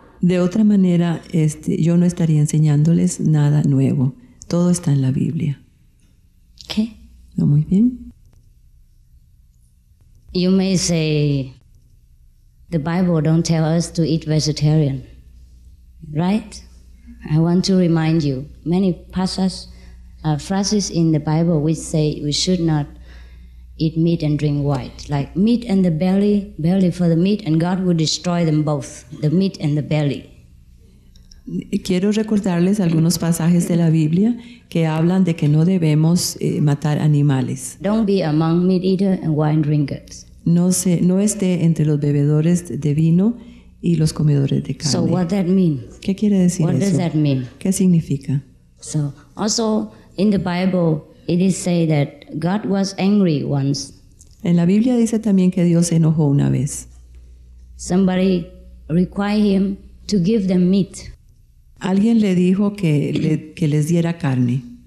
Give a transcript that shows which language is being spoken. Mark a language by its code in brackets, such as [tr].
[es] De otra manera, yo no estaría enseñándoles nada nuevo. Todo está en la Biblia. ¿Qué? No, muy bien. [en] You may say, the Bible don't tell us to eat vegetarian, right? I want to remind you, many passages, phrases in the Bible which say we should not eat meat and drink wine. Like meat and the belly, belly for the meat, and God will destroy them both, the meat and the belly. [es] Quiero recordarles algunos pasajes de la Biblia que hablan de que no debemos matar animales. [en] Don't be among meat eaters and wine drinkers. [es] No esté entre los bebedores de vino y los comedores de carne. [en] So what that mean? [es] ¿Qué quiere decir [en] what [es] eso? [en] Does that mean? [es] ¿Qué significa? [en] So also in the Bible it is said that God was angry once. [es] En la Biblia dice también que Dios se enojó una vez. [en] Somebody required him to give them meat. [es] Alguien le dijo que les diera carne.